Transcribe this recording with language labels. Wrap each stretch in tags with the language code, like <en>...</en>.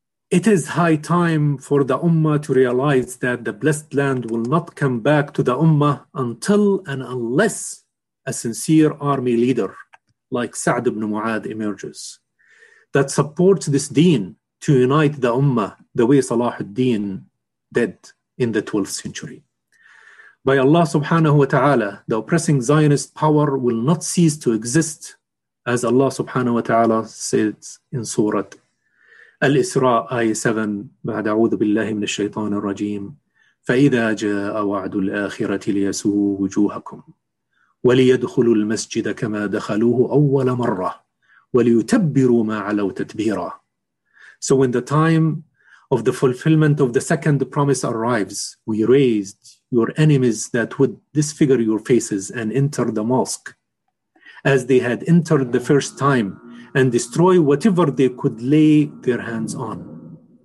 <en>It is high time for the Ummah to realize that the blessed land will not come back to the Ummah until and unless a sincere army leader like Sa'd ibn Mu'adh emerges that supports this deen to unite the Ummah the way Salah ad-Din did in the 12th century. By Allah subhanahu wa ta'ala, the oppressing Zionist power will not cease to exist, as Allah subhanahu wa ta'ala says in Surah Al-Isra, ayah 7,</en> <ar>بعد أعوذ بالله من الشيطان الرجيم فإذا جاء وعد الآخرة ليسوءوا وجوهكم وليدخلوا المسجد كما دخلوه أول مرة وليتبروا ما علوا تتبيرا.</ar> <en>So when the time of the fulfillment of the second promise arrives, we raised your enemies that would disfigure your faces and enter the mosque as they had entered the first time, and destroy whatever they could lay their hands on.</en>